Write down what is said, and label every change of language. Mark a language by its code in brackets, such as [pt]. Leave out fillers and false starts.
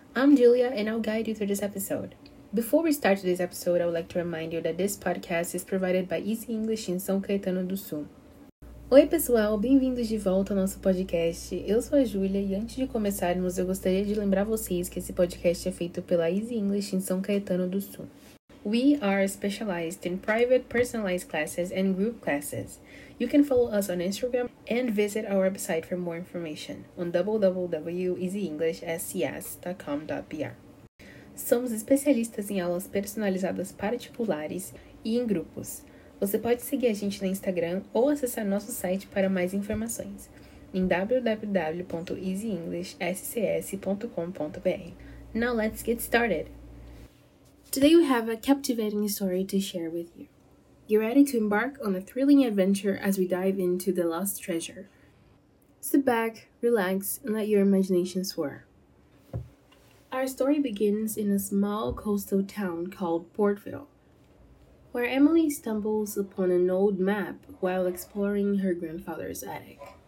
[en] I'm Julia and I'll guide you through this episode. Before we start today's episode, I would like to remind you that this podcast is provided by Easy English in São Caetano do Sul. [pt] Oi pessoal, bem-vindos de volta ao nosso podcast. Eu sou a Julia e antes de começarmos, eu gostaria de lembrar vocês que esse podcast é feito pela Easy English in São Caetano do Sul. [en] We are specialized in private personalized classes and group classes. You can follow us on Instagram and visit our website for more information on www.easyenglishscs.com.br. [pt] Somos especialistas em aulas personalizadas particulares e em grupos. Você pode seguir a gente no Instagram ou acessar nosso site para mais informações em www.easyenglishscs.com.br. [en] Now let's get started! Today we have a captivating story to share with you. You're ready to embark on a thrilling adventure as we dive into the lost treasure. Sit back, relax, and let your imagination soar. Our story begins in a small coastal town called Portville, where Emily stumbles upon an old map while exploring her grandfather's attic.